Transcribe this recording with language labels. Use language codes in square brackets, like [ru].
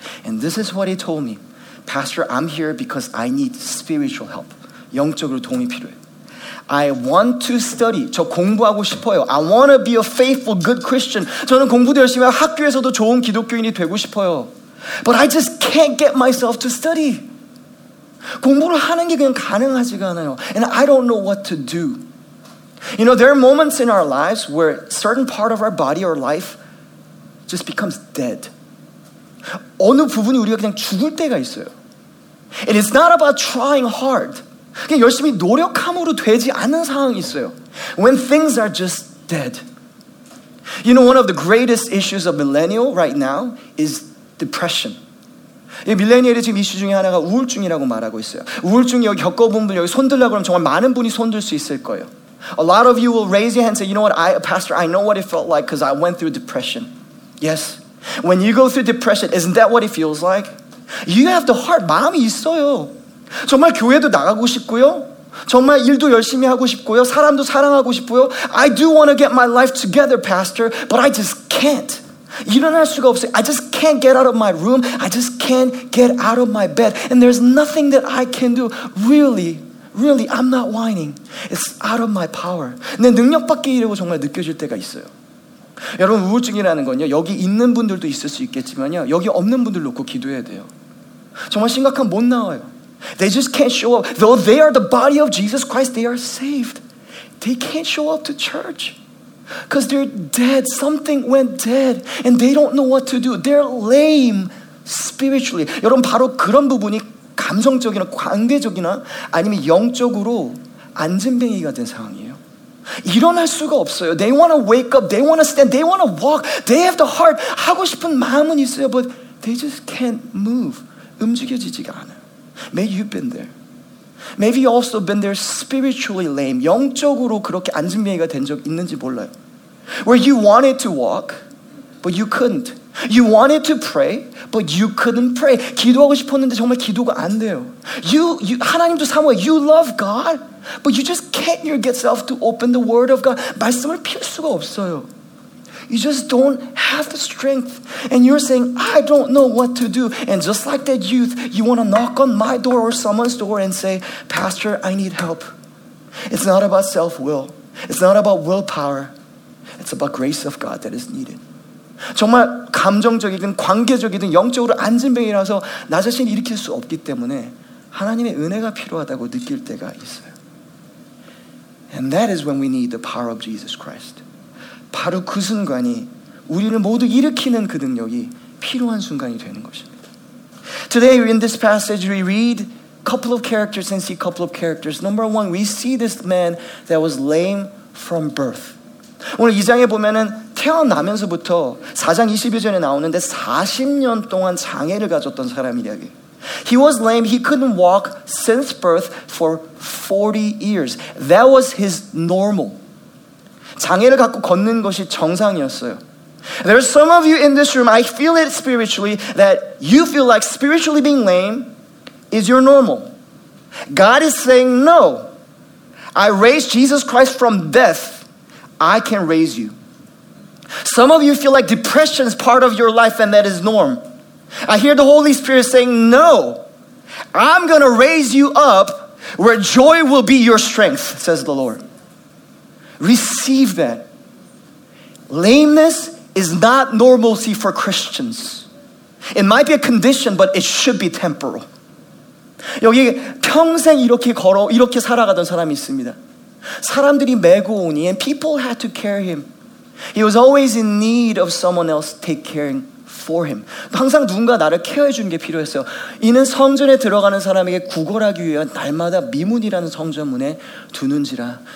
[en] And this is what he told me. Pastor, I'm here because I need spiritual help. [ko] 영적으로 도움이 필요해. [en] I want to study. [ko] 저 공부하고 싶어요. [en] I want to be a faithful, good Christian. [ko] 저는 공부도 열심히 하고 학교에서도 좋은 기독교인이 되고 싶어요. [en] But I just can't get myself to study. [ko] 공부를 하는 게 그냥 가능하지가 않아요. [en] And I don't know what to do. You know, there are moments in our lives where certain part of our body or life just becomes dead. [ko] 어느 부분이 우리가 그냥 죽을 때가 있어요. [en] And it's not about trying hard. [ko] 그냥 열심히 노력함으로 되지 않는 상황이 있어요. [en] When things are just dead. You know, one of the greatest issues of millennial right now is depression. [ko] 이 밀레니얼의 지금 이슈 중에 하나가 우울증이라고 말하고 있어요. 우울증 여기 겪어본 분 여기 손들라고 하면 정말 많은 분이 손들 수 있을 거예요. [en] A lot of you will raise your hand and say, you know what, Pastor, I know what it felt like because I went through depression. Yes. When you go through depression, isn't that what it feels like? You have the heart, [ko] 마음이 있어요. 정말 교회도 나가고 싶고요. 정말 일도 열심히 하고 싶고요. 사람도 사랑하고 싶고요. [en] I do want to get my life together, Pastor, but I just can't. [ko] 일어날 수가 없어요. [en] I just can't get out of my room. I just can't get out of my bed. And there's nothing that I can do. Really, really, I'm not whining. It's out of my power. [ko] 내 능력밖에 이라고 정말 느껴질 때가 있어요. 여러분, 우울증이라는 건요, 여기 있는 분들도 있을 수 있겠지만요, 여기 없는 분들 놓고 기도해야 돼요. 정말 심각한 못 나와요. [en] They just can't show up. Though they are the body of Jesus Christ, they are saved. They can't show up to church. Because they're dead. Something went dead. And they don't know what to do. They're lame spiritually. [ko] 여러분 바로 그런 부분이 감성적이나 관계적이나 아니면 영적으로 앉은뱅이가 된 상황이에요. 일어날 수가 없어요. [en] They want to wake up. They want to stand. They want to walk. They have the heart. [ko] 하고 싶은 마음은 있어요. [en] But they just can't move. [ko] 움직여지지가 않아요. [en] Maybe you've been there. Maybe you've also been there spiritually lame. [ko] 영적으로 그렇게 앉은뱅이가 된 적 있는지 몰라요. [en] Where you wanted to walk, but you couldn't. You wanted to pray, but you couldn't pray. [ko] 기도하고 싶었는데 정말 기도가 안 돼요. [en] You [ko] 하나님도 사모해. [en] You love God, but you just can't get yourself to open the word of God. [ko] 말씀을 펼 수가 없어요. [en] You just don't have the strength. And you're saying, I don't know what to do. And just like that youth, you want to knock on my door or someone's door and say, Pastor, I need help. It's not about self-will. It's not about willpower. It's about grace of God that is needed. 정말 감정적이든 관계적이든 영적으로 앉은뱅이라서 나 자신을 일으킬 수 없기 때문에 하나님의 은혜가 필요하다고 느낄 때가 있어요. And that is when we need the power of Jesus Christ. 바로 그 순간이 우리를 모두 일으키는 그 능력이 필요한 순간이 되는 것입니다. Today in this passage we read a couple of characters and see a couple of characters. Number one, we see this man that was lame from birth. [ko] 오늘 이 장에 보면은 태어나면서부터 4장 21절에 나오는데 40년 동안 장애를 가졌던 사람 이야기. [en] He was lame. He couldn't walk since birth for 40 years. That was his normal. 장애를 갖고 걷는 것이 정상이었어요. There are some of you in this room, I feel it spiritually, that you feel like spiritually being lame is your normal. God is saying, no. I raised Jesus Christ from death. I can raise you. Some of you feel like depression is part of your life and that is norm. I hear the Holy Spirit saying, no, I'm going to raise you up where joy will be your strength, says the Lord. Receive that. Lameness is not normalcy for Christians. It might be a condition, but it should be temporal. [ko] 여기 평생 이렇게 걸어, 이렇게 살아가던 사람이 있습니다. 사람들이 메고 오니, [en] and people had to carry him. He was always in need of someone else take caring for him. [ko] 항상 누군가 나를 케어해 주는 게 필요했어요. 이는 성전에 들어가는 사람에게 구걸하기 위해 날마다 미문이라는 성전문에 두는지라.